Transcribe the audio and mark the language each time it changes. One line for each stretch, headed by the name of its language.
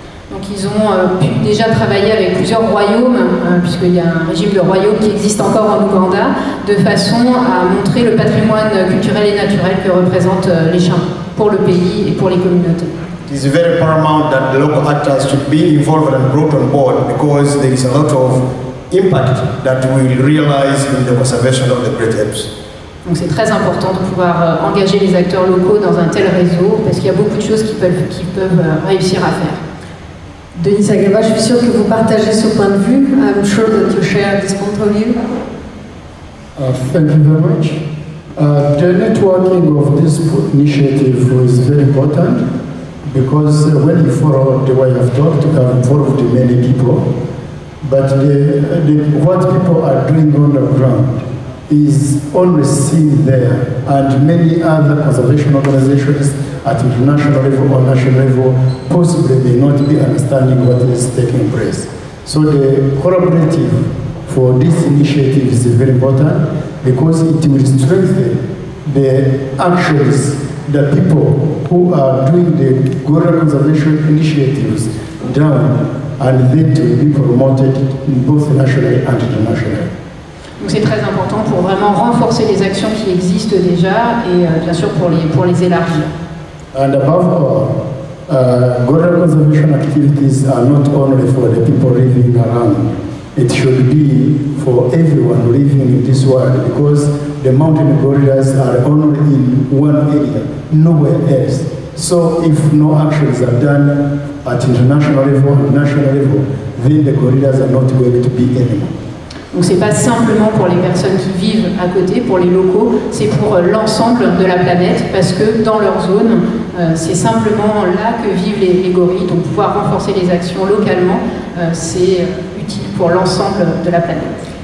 French: Donc ils ont pu déjà travailler avec plusieurs royaumes, puisqu'il y a un régime de royaumes qui existe encore en Ouganda, de façon à montrer le patrimoine culturel et naturel que représentent les chimpanzés pour le pays et pour les communautés.
English: It is very paramount that the local actors should be involved and brought on board because there is a lot of impact that we will realize in the conservation of the great apes.
French: Donc c'est très important de pouvoir engager les acteurs locaux dans un tel réseau parce qu'il y a beaucoup de choses qu'ils peuvent réussir à faire. Denis Agaba, je suis sûre que vous partagez ce point de vue.
English: I'm sure that you share this point of view. Thank you very much. The networking of this initiative is very important because when you follow the way of talk, you have involved many people. But what people are doing on the ground is only seen there, and many other conservation organizations at international level or national level possibly may not be understanding what is taking place. So the collaborative for this initiative is very important because it will strengthen the actions the people who are doing the gorilla conservation initiatives down, and then to be promoted in both nationally and internationally.
French: Donc c'est très important pour vraiment renforcer les actions qui existent déjà et bien sûr pour les élargir.
English: And above all, gorilla conservation activities are not only for the people living around. It should be for everyone living in this world because the mountain gorillas are only in one area, nowhere else. So if no actions are done at international level, national level, then the gorillas are not going to be anymore.
French: Donc c'est pas simplement pour les personnes qui vivent à côté, pour les locaux, c'est pour l'ensemble de la planète, parce que dans leur zone, c'est simplement là que vivent les gorilles. Donc pouvoir renforcer les actions localement, c'est utile pour l'ensemble de la planète.